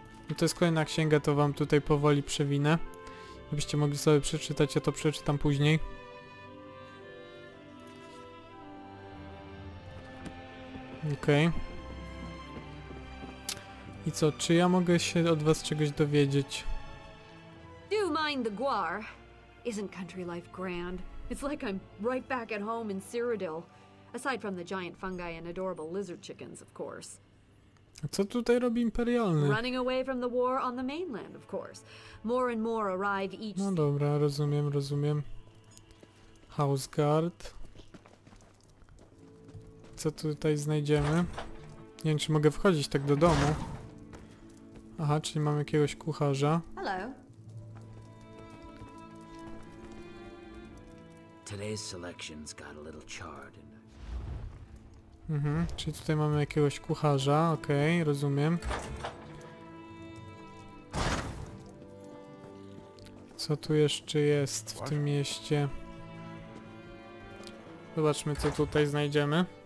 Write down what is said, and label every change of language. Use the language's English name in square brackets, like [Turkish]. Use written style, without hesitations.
[Polish] No to jest kolejna księga, to wam tutaj powoli przewinę. Abyście mogli sobie przeczytać, ja to przeczytam później. Okej. I co, czy ja mogę się od was czegoś dowiedzieć? [English] Do mind the Guar. Isn't country life grand? It's like I'm right back at home in Cyrodiil. Aside from the giant fungi and adorable lizard chickens, of course. [Polish] A co tutaj robi imperialny? [English] Running away from the war on the mainland, of course. More and more arrive each... [Polish] No dobra, rozumiem, rozumiem. [English] House guard. [Polish] Co tutaj znajdziemy? Nie wiem, czy mogę wchodzić tak do domu. Aha, czyli mam jakiegoś kucharza. [English] Hello. Today's selection's got a little charred. [Polish] Mhm, czyli tutaj mamy jakiegoś kucharza, okej, okay, rozumiem. Co tu jeszcze jest w tym mieście? Zobaczmy, co tutaj znajdziemy.